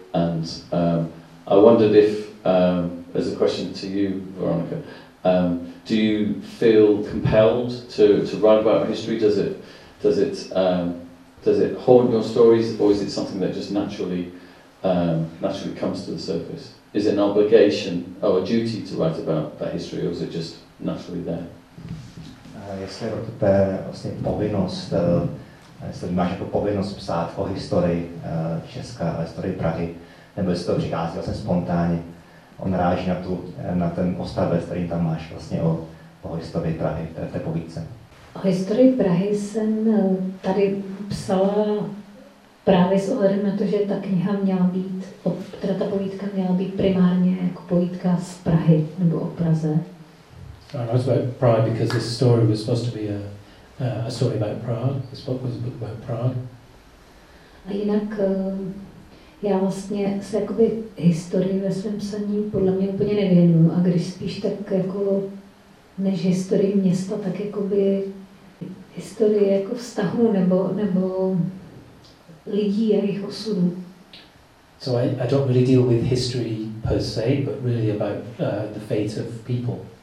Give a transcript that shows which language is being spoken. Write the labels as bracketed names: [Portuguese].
[English] And I wondered if, as a question to you, Veronica, do you feel compelled to write about history? Does it haunt your stories, or is it something that just naturally comes to the surface? Is it an obligation or a duty to write about that history, or is it just naturally there? [Czech] Jestli je to vlastně povinnost, jestli máš jako povinnost psát o historii Česka a historii Prahy, nebo jestli to přichází vlastně spontánně. On ráží na ten ostavec, který tam máš vlastně o historii Prahy, to je té povídce. O historii Prahy jsem tady psala Právě s ohledem na to, že ta kniha měla být, teda ta povídka měla být primárně jako povídka z Prahy nebo o Praze. [English] I was about Prague because this story was supposed to be a story about Prague. This book was a book about Prague. [Czech] A jinak já vlastně se jakoby historii ve svém psaní podle mě úplně nevěnuju. A když spíš tak jako než historii města, tak jakoby historii jako vztahu nebo lidí a jejich osudu. [English] So I don't really deal with history per se, but really about the fate of people.